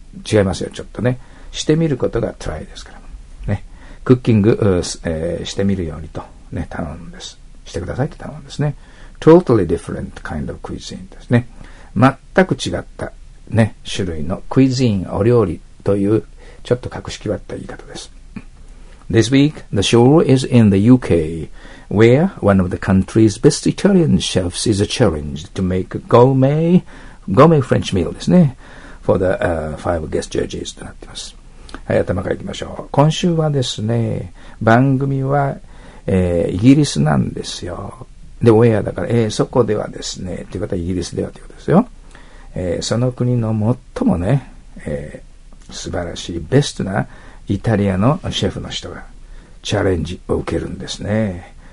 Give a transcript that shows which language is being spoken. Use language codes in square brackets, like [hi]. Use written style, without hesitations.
[ja] 違いますよ、ちょっとね。してみることが try ですから。ね。クッキング、してみるようにと、ね、頼むんです。してくださいって頼むんですね。 [en] totally different kind of cuisine [ja] ですね。全く違った、ね、種類の cuisine、お料理という、ちょっと格式割った言い方です。 [en] This week, the show is in the UK, where one of the country's best Italian chefs is challenged to make gourmet French meal [ja] ですね。 [en] for the five guest judges [ja] となっています。はい、頭からいきましょう。今週はですね、番組は、イギリスなんですよ。で、オンエアだから、そこではですね、という方はイギリスではということですよ。その国の最もね、素晴らしい、ベストなイタリアのシェフの人がチャレンジを受けるんですね。